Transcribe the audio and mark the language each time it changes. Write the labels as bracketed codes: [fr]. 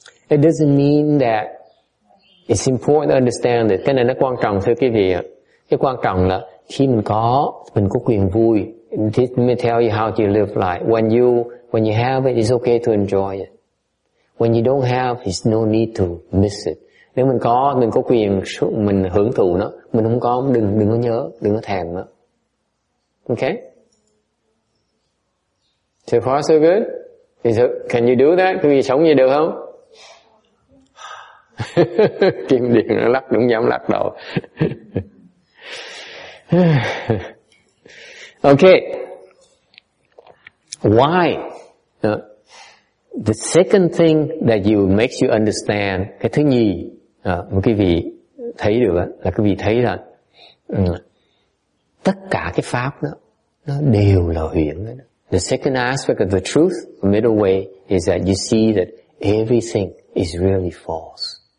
[en] It doesn't mean that it's important to understand it. [vi] Cái này nó quan trọng thưa quý vị ạ. Cái quan trọng là khi mình có quyền vui. [en] Let me tell you how to live life. When you have it, it's okay to enjoy it. When you don't have, it's no need to miss it. [vi] Nếu mình có quyền mình hưởng thụ nó, mình không có đừng có nhớ, đừng có thèm nó. Okay? [en] So far so good? Can you do that? [vi] Quý vị sống như được không? Kim điện nó lắc đúng dám lắc đầu. [en] Okay. Why? The second thing that you makes you understand, [vi] cái thứ nhì, quý vị thấy được là quý vị thấy là tất cả cái pháp đó nó đều là huyền. [en] The second aspect of the truth, the middle way, is that you see that everything is really false.